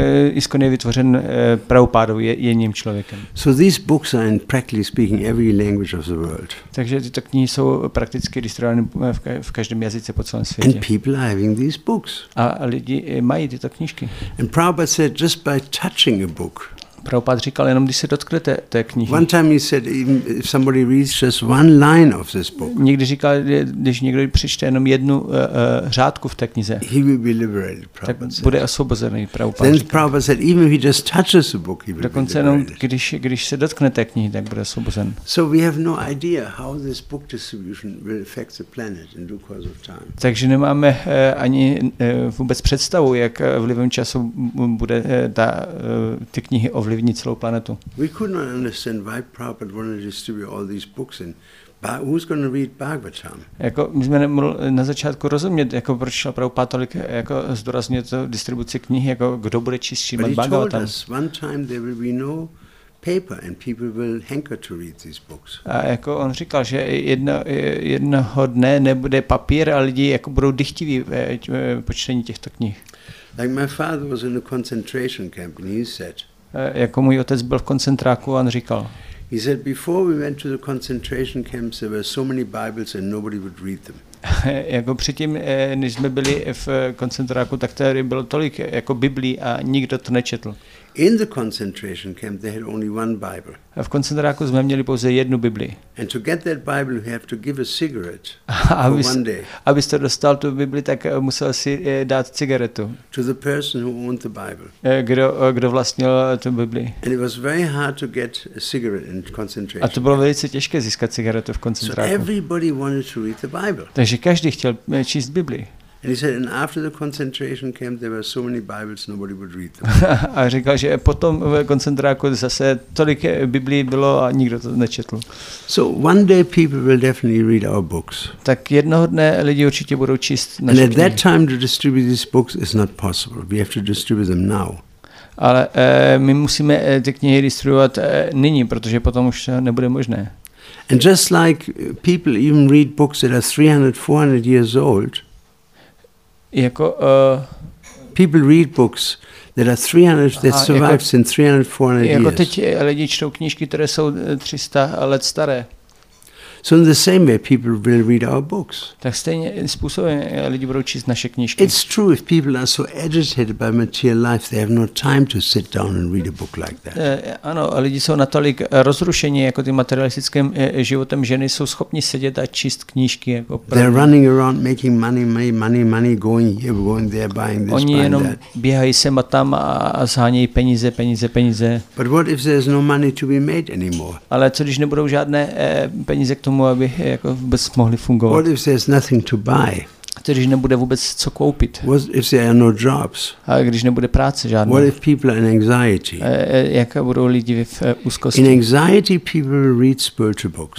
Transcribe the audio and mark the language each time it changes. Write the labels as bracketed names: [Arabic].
[Czech] ISKCON je vytvořen Prabhupádou jedním člověkem. [English] So these books are in practically speaking every language of the world. [Czech] Takže tyto knihy jsou prakticky distribuovány v každém jazyce po celém světě. [English] And people are having these books. [Czech] A lidi mají tyto knížky. [English] And Prabhupada said just by touching a book. [Czech] Prabhupada říkal, jenom když se dotknete té knihy. [English] One time he said, if somebody reads just one line of this book. [Czech] Někdy říkal, když někdo přečte jenom jednu řádku v té knize. [English] He will be liberated, Prabhupada [Czech] tak bude osvobozený, Prabhupada. [English] Then Prabhupada said, even if he just touches the book, he will [Czech] dokonce [English] be liberated. [Czech] Jenom, když se dotknete knihy, tak bude osvobozen. [English] So we have no idea how this book distribution will affect the planet in due course of time. [Czech] Takže nemáme ani vůbec představu, jak vlivem času bude ty knihy ovlivní celou planetu. [English] We could not understand why Prabhupada wanted to distribute all these books and who's going to read Bhagavatam? [Czech] Jako my jsme nemohli na začátku rozumět, jako proč šel Prabhupada tolik jako zdůrazně to distribuci knih, jako kdo bude číst Srimad Bhagavatam. [English] But he told us one time there will be no paper and people will hanker to read these books. [Czech] A jako on říkal, že jednoho dne nebude papír a lidi jako budou dychtiví po čtení těchto knih. [English] Like my father was in a concentration camp and he said, [Czech] jako můj otec byl v koncentráku a on říkal. [English] He said before we went to the concentration camps there were so many Bibles and nobody would read them. [Czech] Jako předtím, než jsme byli v koncentráku, tak tady bylo tolik jako Biblí a nikdo to nečetl. [English] In the concentration camp they had only one Bible. [Czech] A v koncentráku jsme měli pouze jednu Bibli. [English] And to get that Bible you have to give a cigarette for one day. [Czech] Abyste dostal tu Bibli, tak musel si dát cigaretu. [English] To the person who owned the Bible. [Czech] Kdo vlastnil tu Bibli. [English] And it was very hard to get a cigarette in concentration. [Czech] A to bylo velice těžké získat cigaretu v koncentráku. [English] So everybody wanted to read the Bible. [Czech] Takže každý chtěl číst Bibli. [English] And he said, and after the concentration camp, there were so many Bibles nobody would read them. [Czech] A říkal, že potom v koncentráku zase tolik Biblií bylo a nikdo to nečetl. [English] So one day people will definitely read our books. [Czech] Tak jednoho dne lidi určitě budou číst naše knihy. [English] And at that time to distribute these books is not possible. We have to distribute them now. [Czech] Ale my musíme ty knihy distribuovat nyní, protože potom už to nebude možné. [English] And just like people even read books that are 300, 400 years old. [Czech] Jako, [English] people read books that are 300 that survive jako, since 300 400 [Czech] jako [English] years. [Czech] Jako teď lidi čtou knížky, které jsou 300 let staré. [English] So in the same way people will read our books. [Czech] Tak stejně způsobem lidi budou číst naše knížky. [English] It's true if people are so agitated by material life they have no time to sit down and read a book like that. [Czech] Ano, lidi jsou natolik rozrušení jako tím materialistickým životem, že nejsou schopni sedět a číst knížky jako první. [English] They're running around making money, going here, going there, buying this, [Czech] oni jenom [English] buying that. [Czech] Běhají sem a tam a shánějí peníze. [English] But what if there's no money to be made anymore? [Czech] Ale co když nebudou žádné peníze k tomu, aby jako vůbec mohli fungovat. [English] What if there's nothing to buy? [Czech] Když nebude vůbec co koupit. [English] What if there are no jobs? [Czech] A když nebude práce žádné. [English] What if people are in anxiety? [Czech] Jak budou lidi v úzkosti? [English] In anxiety people read spiritual books.